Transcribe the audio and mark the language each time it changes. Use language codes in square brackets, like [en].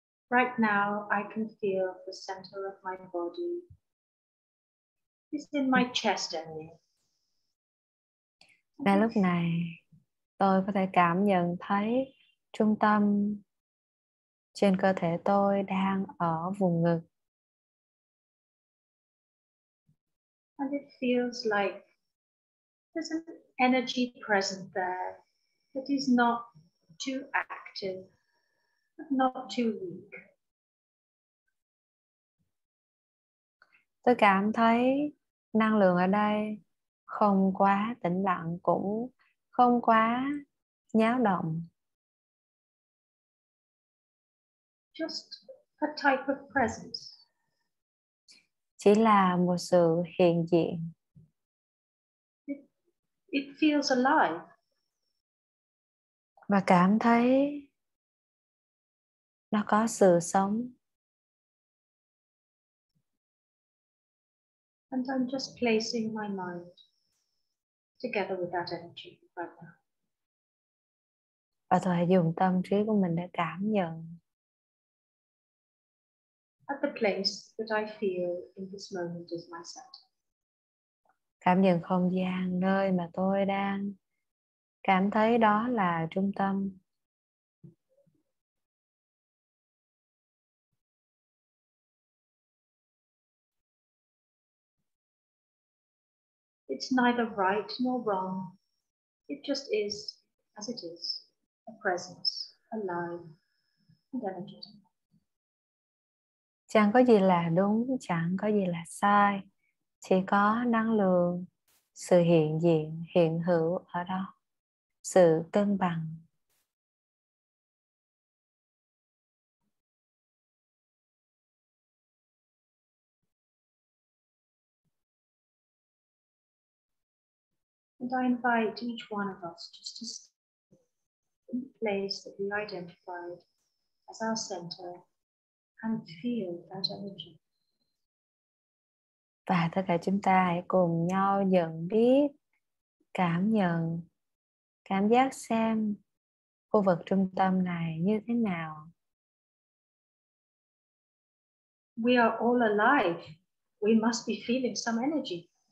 [en] Right now, I can feel the center of my body. It's in my chest area. [vi] Ngay lúc này, tôi có thể cảm nhận thấy trung tâm trên cơ thể tôi đang ở vùng ngực. [en] And it feels like there's an energy present there that is not too active, but not too weak. [vi] Tôi cảm thấy năng lượng ở đây không quá tĩnh lặng, cũng không quá nháo động. [en] Just a type of presence. [vi] Chỉ là một sự hiện diện. [en] It feels alive. [vi] Và cảm thấy nó có sự sống. [en] And I'm just placing my mind together with that energy right now. [vi] Và tôi hãy dùng tâm trí của mình để cảm nhận. [en] At the place that I feel in this moment is my set. [vi] Cảm nhận không gian nơi mà tôi đang cảm thấy đó là trung tâm. [en] It's neither right nor wrong. It just is as it is, a presence, alive, and energetic. [vi] Chẳng có gì là đúng, chẳng có gì là sai. Chỉ có năng lượng, sự hiện diện, hiện hữu ở đó. Sự cân bằng. [en] And I invite each one of us just to stay in the place that we identified as our center and feel that energy. [vi] Và tất cả chúng ta hãy cùng nhau nhận biết, cảm nhận, cảm giác xem khu vực trung tâm này như thế nào. [en] We are all alive. We must be feeling some energy.